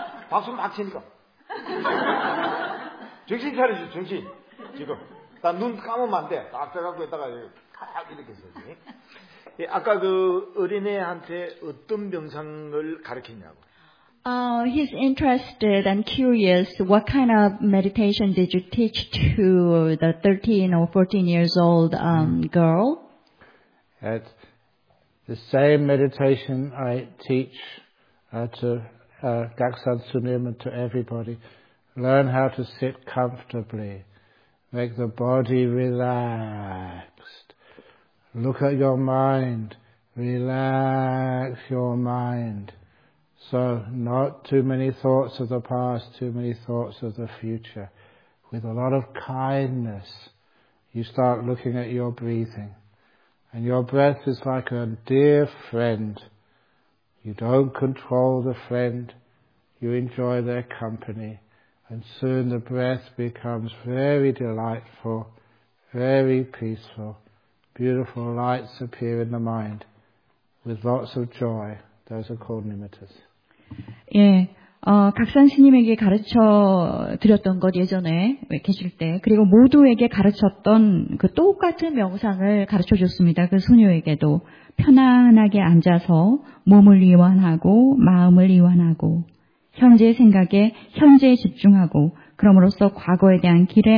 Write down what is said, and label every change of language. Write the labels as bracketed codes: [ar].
[ko] 박수 막 치니까. 정신 차리지, 정신. 지금. 나 눈 감으면 안 돼. 딱 떠갖고 있다가 딱 이렇게 했지. 예, 아까 그 어린애한테 어떤 명상을 가르쳤냐고. [en] He's interested and curious. What kind of meditation did you teach to the 13 or 14 years old girl? It's the same meditation I teach to Gaksan Sunim and to everybody. Learn how to sit comfortably. Make the body relaxed. Look at your mind. Relax your mind. So, not too many thoughts of the past, too many thoughts of the future. With a lot of kindness, you start looking at your breathing. And your breath is like a dear friend. You don't control the friend. You enjoy their company. And soon the breath becomes very delightful, very peaceful. Beautiful lights appear in the mind with lots of joy. Those are called nimittas. [ko] 예, 각산 스님에게 가르쳐 드렸던 것 예전에 계실 때 그리고 모두에게 가르쳤던 그 똑같은 명상을 가르쳐 줬습니다. 그 소녀에게도 편안하게 앉아서 몸을 이완하고 마음을 이완하고 현재의 생각에 현재에 집중하고 그럼으로써 과거에 대한